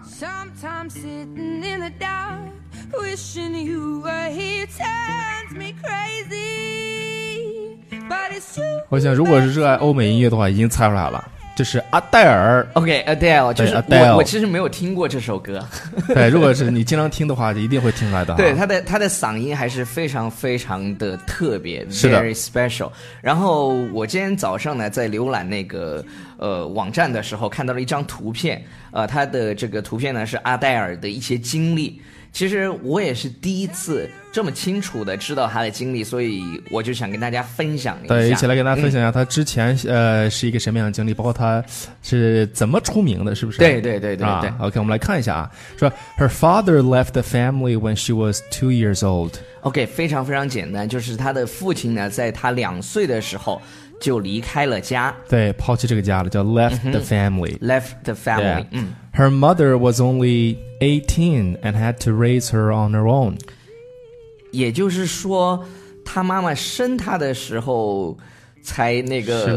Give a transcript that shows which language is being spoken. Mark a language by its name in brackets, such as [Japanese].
[English] Sometimes sitting in the dark, wishing you were here turns me crazy. But it's you. [Chinese] 我想，如果是热爱欧美音乐的话，已经猜出来了。这是阿黛尔，OK， Adele， 就是 Adele。我其实没有听过这首歌。对，如果是你经常听的话，就一定会听出来的。对，他的嗓音还是非常非常的特别，是的 [English] ，very special。 [Chinese] 然后我今天早上呢，在浏览那个网站的时候，看到了一张图片，他的这个图片呢是阿黛尔的一些经历。其实我也是第一次这么清楚的知道他的经历，所以我就想跟大家分享一下。对，一起来跟大家分享一下他之前是一个什么样的经历，包括他是怎么出名的，是不是？对对对对对。啊、OK， 我们来看一下啊，说 [English] her father left the family when she was 2 years old。 [Chinese] OK， 非常非常简单，就是他的父亲呢，在他2岁的时候就离开了家。对，抛弃这个家了，叫 [English] left the family。 Left the family、 yeah.。嗯。 Her mother was only 18 and had to raise her on her own. [Chinese] 也就是说，她妈妈生她的时候才那个